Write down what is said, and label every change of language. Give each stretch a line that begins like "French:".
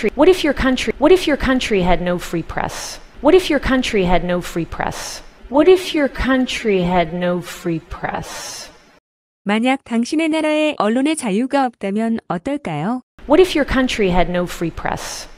English: What if your country had no free press? What if your country had no free press?
Korean: 만약 당신의 나라에 언론의 자유가 없다면 어떨까요?
English: What if your country had no free press?